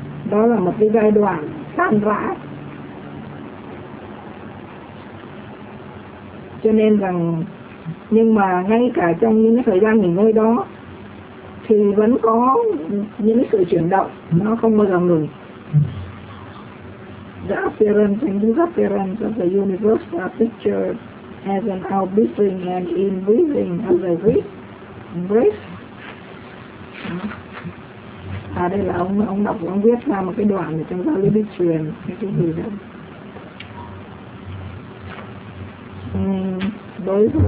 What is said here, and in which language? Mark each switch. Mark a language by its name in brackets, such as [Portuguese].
[Vietnamese] Đó là một cái giai đoạn tan rã. Cho nên rằng, nhưng mà ngay cả trong những cái thời gian nghỉ ngơi đó thì vẫn có những sự chuyển động, nó không bao giờ ngừng. [English] The appearance and disappearance of the universe are pictured as an out-breathing and in-breathing as a breath. [Vietnamese] À đây là ông đọc, ông viết ra một cái đoạn để trong giáo lý bí truyền, cái gì đó.